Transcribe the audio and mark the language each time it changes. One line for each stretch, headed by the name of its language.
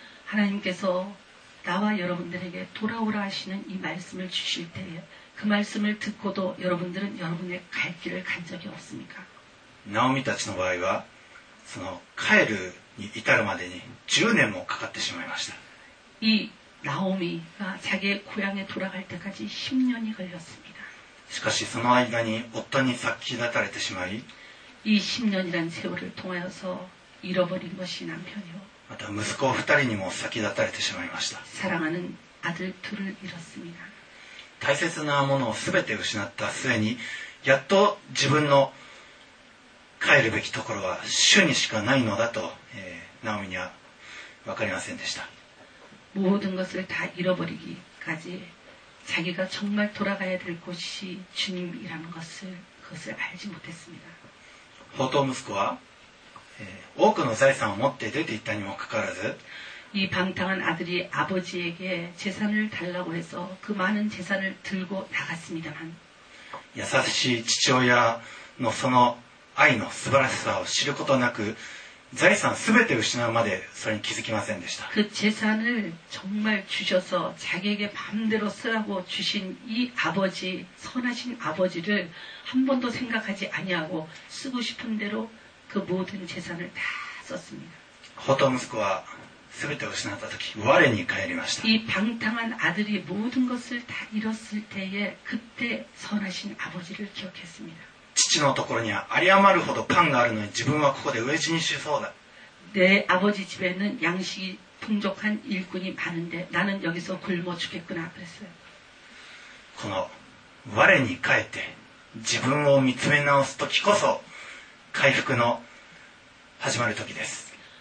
Korean: 하나님께서나와여러분들에게돌아오라하시는이말씀을주실때에그말씀을듣고도여러분들은여러분의갈길을간적이없습니까
Japanese: 나오미たちの場合はその帰る至るまでに10年もかかってしまいました
Korean: 이 나오미가자기의고향에돌아갈때까지10년이걸렸습니다
Japanese: しかしその間に夫に先立たれてしまい
Korean: 이10년이란세월을통하여서잃어버린것이남편이요
Japanese: また息子2人にも先立たれてしまいました
Korean: 사랑하는아들둘을잃었습니다
Japanese: 大切なものを全て失った末にやっと自分の帰るべきところは主にしかないのだと、ナオミには分かりませんでした
Korean: 모든것을다잃어버리기까지자기가정말돌아가야될곳이주님이라는것을그것을알지못했습니다
Japanese: ホト息子は、多くの財産を持って出て行ったにもかかわらず
Korean: 이방탕한아들이아버지에게재산을달라고해서그많은재산을들고나갔습니다만
Japanese: やさしい父親のその愛の素晴らしさを知ることなく財産すべて失うまでそれに気づきませんでした
Korean: 그재산을정말주셔서자기에게맘대로쓰라고주신이아버지선하신아버지를한번도생각하지아니하고쓰고싶은대로그모든재산을다썼습니다
Japanese: 호토무스코와すべてを失った時我に返りました
Korean: 이방탕한아들이모든것을다잃었을때에그때선하신아버지를기억했습니다
Japanese: 父のところにはあり余るほどパンがあるのに自分はここで飢え死にしそうだ。
Korean: 내아버지집에는양식이풍족한일꾼이많은데나는여기서굶어죽겠구나그랬어요
Japanese: この我に返って自分を見つめ直す時こそ回復の始まる時です